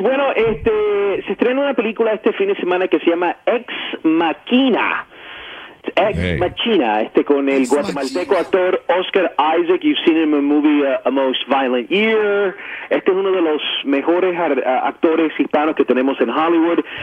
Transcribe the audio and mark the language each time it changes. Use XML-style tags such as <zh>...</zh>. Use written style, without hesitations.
<es>Bueno, se estrena una película este fin de semana que se llama Ex-Machina. Ex-Machina, con el guatemalteco actor Oscar Isaac.</es> <en>You've seen him in the movie A Most Violent Year.</en> <es>Este es uno de los mejores actores hispanos que tenemos en Hollywood.</es>